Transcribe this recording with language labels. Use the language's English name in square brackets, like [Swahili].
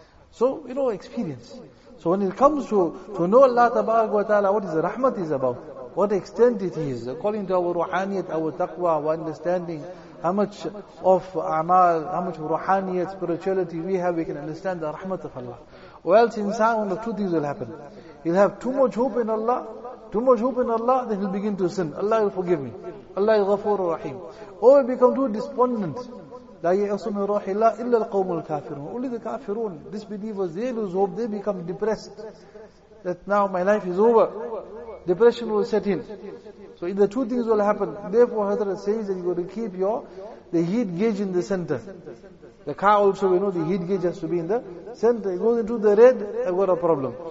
[English] So, you know, experience. So when it comes to know Allah Tabaraka wa Ta'ala, what is the rahmat is about, what extent it is, according to our ruhaniyat, our taqwa, our understanding, how much of amal, how much of ruhaniyat, spirituality we have, we can understand the rahmat of Allah. Or else insan, one of two things will happen. He'll have too much hope in Allah, then he'll begin to sin. Allah will forgive me. Allah is ghafoor rahim. Or he'll become too despondent. [Arabic] لا يعصم روح الله إلا القوم الكافرون. [English] Only the kafirun, disbelievers, they lose hope, they become depressed. That now my life is over. Depression will set in. So the two things will happen. Therefore, Hazrat says that you got to keep the heat gauge in the center. The car also, we know the heat gauge has to be in the center. It goes into the red, I've got a problem.